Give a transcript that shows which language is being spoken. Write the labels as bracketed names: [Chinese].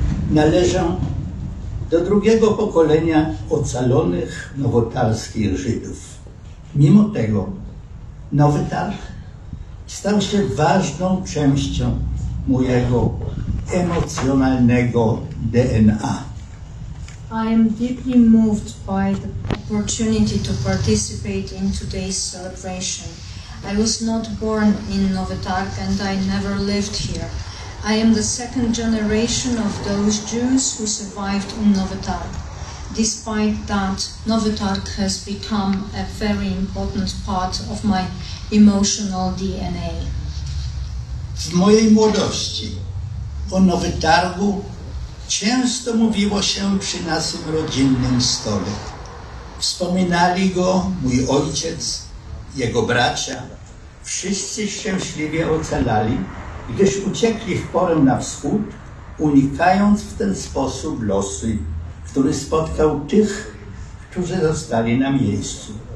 [Polish] Należę do drugiego pokolenia ocalonych nowotarskich Żydów. Mimo tego Nowy Targ stał się ważną częścią mojego emocjonalnego DNA. [English] I am deeply moved by the opportunity to participate in today's celebration. I was not born in Nowy Targ and I never lived here. I am the second generation of those Jews who survived in Nowy Targ. Despite that, Nowy Targ has become a very important part of my emotional DNA. [Polish] W mojej młodości o Nowy Targu często mówiło się przy naszym rodzinnym stole. Wspominali go mój ojciec, jego bracia. Wszyscy szczęśliwie ocalali, gdyż uciekli w porę na wschód, unikając w ten sposób losu, który spotkał tych, którzy zostali na miejscu.